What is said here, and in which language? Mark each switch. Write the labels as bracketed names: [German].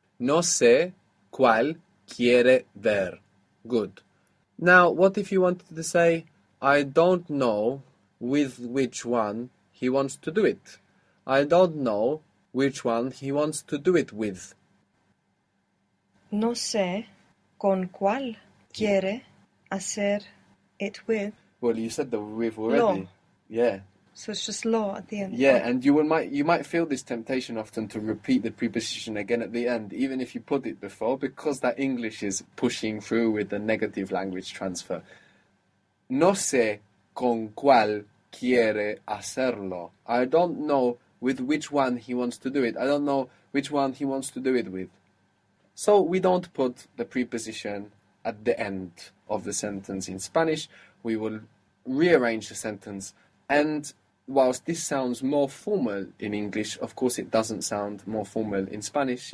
[Spanish] No sé cuál quiere ver. [English] Good. Now, what if you wanted to say, I don't know with which one he wants to do it? I don't know which one he wants to do it with. [Spanish] No sé con cuál quiere hacer [English] it with. Well, you said the with [Spanish] Lo. [English] already. Yeah. So it's just law at the end. Yeah, and you might feel this temptation often to repeat the preposition again at the end, even if you put it before, because that English is pushing through with the negative language transfer. [Spanish] No sé con cuál quiere hacerlo. [English] I don't know with which one he wants to do it. I don't know which one he wants to do it with. So we don't put the preposition at the end of the sentence in Spanish. We will rearrange the sentence. And whilst this sounds more formal in English, of course it doesn't sound more formal in Spanish.